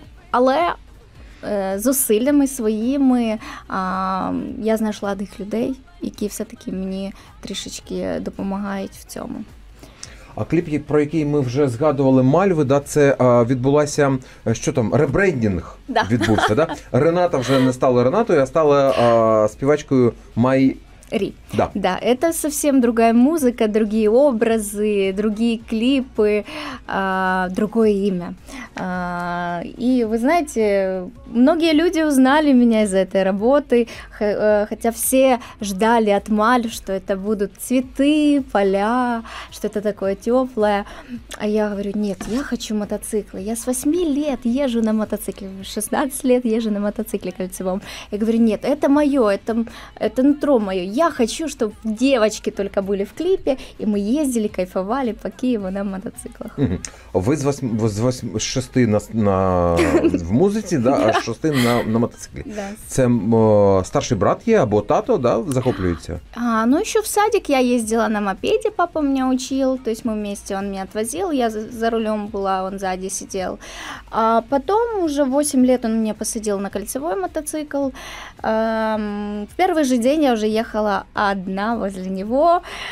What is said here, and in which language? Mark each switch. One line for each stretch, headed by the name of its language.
Ukrainian: Але зусиллями своїми я знайшла тих людей, які все-таки мені трішечки допомагають в цьому. А кліп, про який ми вже згадували, Мальви, да, це відбулася, що там, ребрендінг відбувся, да? Рената вже не стала Ренатою, а стала співачкою Май... Рі. Да.
Russian: Да, это совсем другая музыка, другие образы, другие клипы, другое имя. И вы знаете, многие люди узнали меня из этой работы, хотя все ждали от Маль, что это будут цветы, поля, что это такое теплое. А я говорю, нет, я хочу мотоциклы. Я с 8 лет езжу на мотоцикле, 16 лет езжу на мотоцикле кольцевом. Я говорю, нет, это мое, это нутро мое, я хочу, чтобы девочки только были в клипе, и мы ездили, кайфовали по Киеву на мотоциклах. Вы с 6 в музыке, да, а 6 на мотоцикле.
Ukrainian: Это старший брат є, або тато, да, захоплюється?
Russian: Ну, еще в садик я ездила на мопеде, папа меня учил, то есть мы вместе, он меня отвозил, я за рулем была, он сзади сидел. А потом уже 8 лет он меня посадил на кольцевой мотоцикл. В первый же день я уже ехала одна возле него.